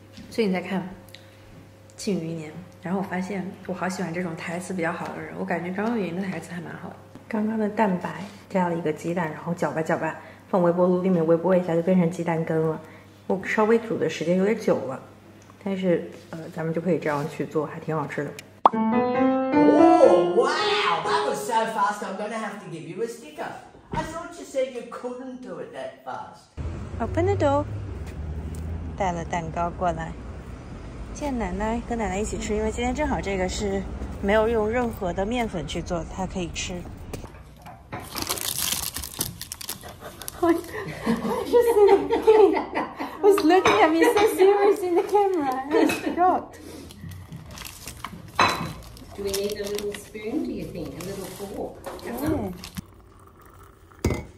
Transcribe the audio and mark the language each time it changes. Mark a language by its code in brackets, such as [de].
[zh] 所以你再看《庆余年》，然后我发现我好喜欢这种台词比较好的人，我感觉张若昀的台词还蛮好的。刚刚的蛋白加了一个鸡蛋，然后搅拌搅拌，放微波炉里面微波一下就变成鸡蛋羹了。我稍微煮的时间有点久了，但是咱们就可以这样去做，还挺好吃的。 [en] Oh, wow, that was so fast. I'm gonna have to give you a sticker. I thought you said you couldn't do it that fast. Open the door. [zh] 带了蛋糕过来，见奶奶，跟奶奶一起吃，因为今天正好这个是没有用任何的面粉去做，她可以吃。 [en] Was looking at me so serious in the camera. I forgot. Do we need a little spoon? Do you think a little fork? Yeah.